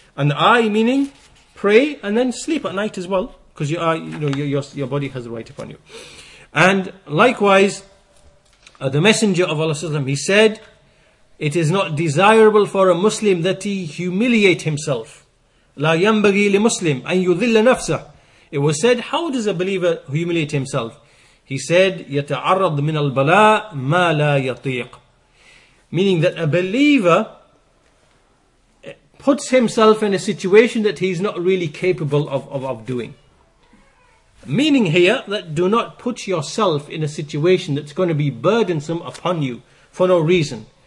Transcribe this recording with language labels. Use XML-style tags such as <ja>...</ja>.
<en>And the eye meaning pray and then sleep at night as well, because your body has a right upon you. And likewise, the Messenger of Allah, he said, it is not desirable for a Muslim that he humiliate himself.</en> <ar>لا ينبغي لمسلم أن يذل نفسه.</ar> <en>It was said, how does a believer humiliate himself? He said,</en> <ar>يتعرض من البلاء ما لا يطيق.</ar> <en>Meaning that a believer puts himself in a situation that he's not really capable of doing. Meaning here that do not put yourself in a situation that's going to be burdensome upon you for no reason.</en>